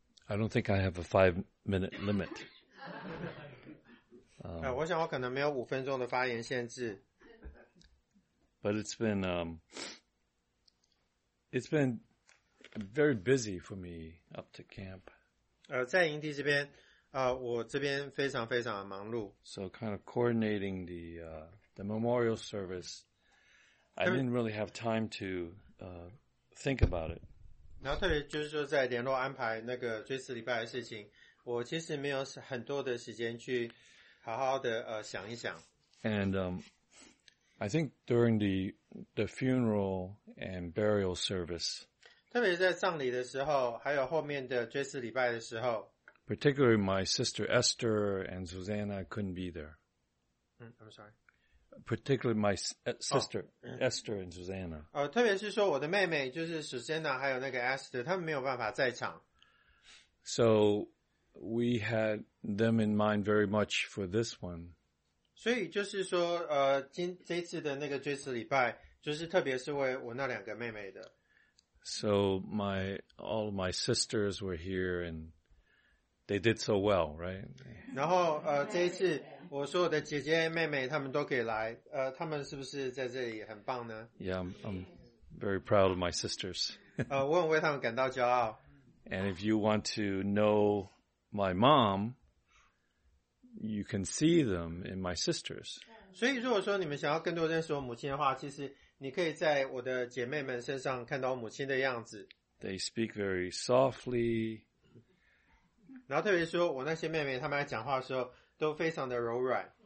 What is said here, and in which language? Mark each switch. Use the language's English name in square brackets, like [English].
[English] I don't think I have a 5-minute limit. [Chinese] 我想我可能没有五分钟的发言限制。 [English] But it's been very busy for me up to camp. [Chinese] 在营地这边，我这边非常非常的忙碌。 [English] So kind of coordinating the memorial service, I didn't really have time to think about it. [Chinese] 然后特别就是说在联络安排那个追思礼拜的事情，我其实没有很多的时间去好好的想一想。 [English] And I think during the funeral and burial service, [Chinese] 特别在葬礼的时候，还有后面的追思礼拜的时候 [English] ，particularly my sister Esther and Susanna couldn't be there. I'm sorry. Particularly my sister Esther and Susanna. [Chinese] 特别是说我的妹妹就是 Susanna 还有那个 Esther， 他们没有办法在场。 [English] So we had them in mind very much for this one. [Chinese] 所以就是说，这一次的那个追思礼拜，就是特别是为我那两个妹妹的。 [English] So all of my sisters were here and they did so well, right? [Chinese] 然后这一次。我说我的姐姐妹妹他们都可以来，他们是不是在这里很棒呢？ [English] Yeah, I'm very proud of my sisters. [Chinese] 我很为他们感到骄傲。 [English] And if you want to know my mom, you can see them in my sisters. [Chinese] 所以如果说你们想要更多认识我母亲的话，其实你可以在我的姐妹们身上看到母亲的样子。 [English] They speak very softly. [Chinese] 然后特别说我那些妹妹他们在讲话的时候都非常的柔软。